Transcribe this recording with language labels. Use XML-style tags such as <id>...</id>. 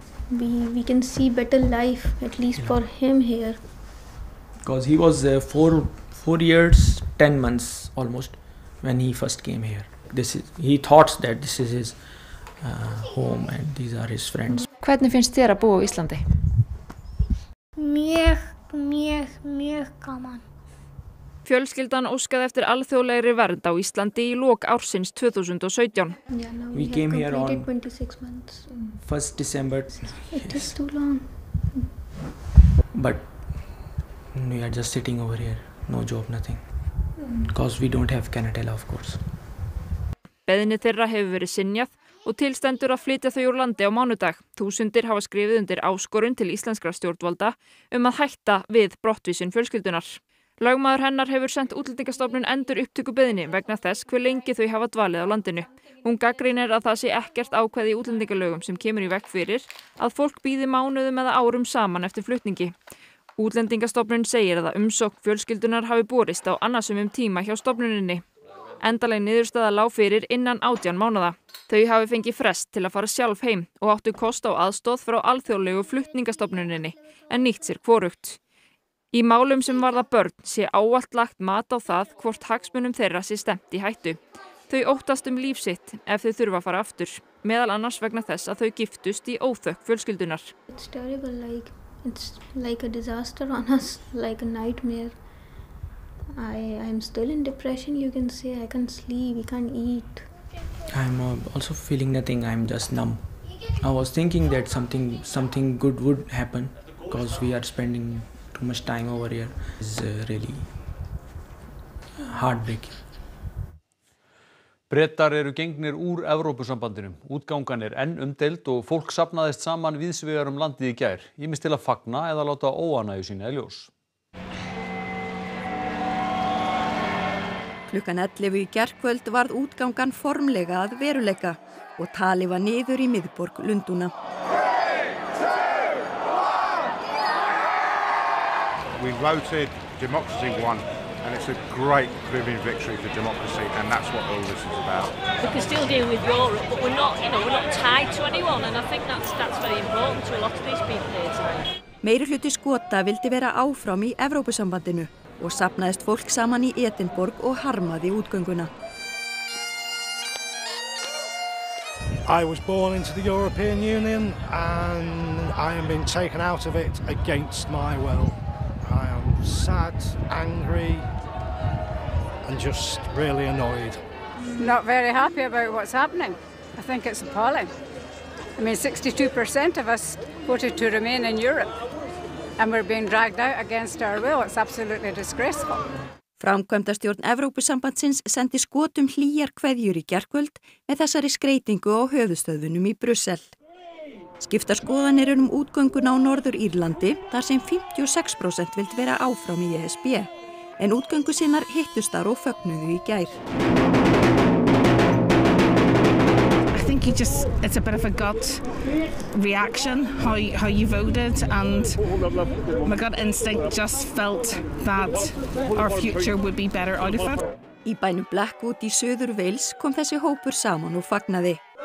<en>We can see better life, at least for him here. Because he was 4 years, 10 months almost. When he first came here, he thought that this is his home and these are his friends.</en> <is>Hvernig finnst þér að búa á Íslandi? Mjög gaman. Fjölskyldan óskaði eftir alþjóðlegri vernd á Íslandi í lok ársins 2017.</is> <en>Yeah, we came here on 26 months. First December. It is too long. But we are just sitting over here, no job, nothing. Because we don't have Canada, of course.</en> <is>Beðinni þeirra hefur verið synjað og tilstendur að flytja þau úr landi á mánudag. Þúsundir hafa skrifið undir áskorun til íslenskra stjórnvalda að hætta við brottvísun fjölskyldunar. Lögmaður hennar hefur sent útlendingastofnun endur upptöku beiðni vegna þess hve lengi þau hafa dvalið á landinu. Hún gagnrýnir að það sé ekkert ákvæði í útlendingalögum sem kemur í veg fyrir að fólk bíði mánuðum eða árum saman eftir flutningi. Útlendingastofnun segir að umsókn fjölskyldunar hafi borist á annasumum tíma hjá stofnuninni. Endanleg niðurstaða lá fyrir innan 18 mánaða. Þau hafi fengið frest til að fara sjálf heim og áttu kost á aðstoð frá alþjóðlegu flutningastofnuninni en nýtt sér hvorugt. Í málum sem varða börn sé ávallt lagt mat á það hvort hagsmunum þeirra sé stefnt í hættu. Þau óttast líf sitt ef þau þurfa að fara aftur, meðal annars vegna þess að þau giftust í óþökk fjölskyldunar.</is> <en>It's terrible, it's like a disaster on us, like a nightmare. I'm still in depression, you can say. I can't sleep, I can't eat. I'm also feeling nothing, I'm just numb. I was thinking that something good would happen, because we are spending too much time over here. It's really heartbreaking.</en> <is>Bretar eru gengnir úr Evrópusambandinu. Útgangan er enn umdeild og fólk safnaðist saman víðsvegar landið í gær. Ýmist til að fagna eða láta óánægju sína í ljós. Klukkan 11 í gærkvöld varð útgangan formlega að veruleika og talið var niður í miðborg Lundúna.</is> <en>We voted democracy won. And it's a great proving victory for democracy, and that's what all this is about. We can still deal with Europe, but we're not, we're not tied to anyone, and I think that's very important to a lot of these people here today.</en> <is>Meiri hluti Skota vildi vera áfram í Evrópusambandinu og safnaðist fólk saman í Edinborg og harmaði útgönguna.</is> <en>I was born into the European Union, and I am being taken out of it against my will. Sad, angry, and just really annoyed. Not very happy about what's happening. I think it's appalling. I mean, 62% of us voted to remain in Europe, and we're being dragged out against our will. It's absolutely disgraceful.</en> <is>Framkvæmdastjórn Evrópusambandsins sendi Skotum hlýjar kveðjur í gærkvöld með þessari skreytingu á höfuðstöðunum í Brussel. Skiptar skoðanir um útgönguna á Norður Írlandi þar sem 56% vildi vera áfram í ESB. En útgöngu sinnar hittust þar og fögnuðu í gær.</is> <en>I think it's a bit of a gut reaction how you voted and my gut instinct just felt that our future would be better out of it.</en> <is>Í bænum Blackwood í Suður Wales kom þessi hópur saman og fagnaði.</is>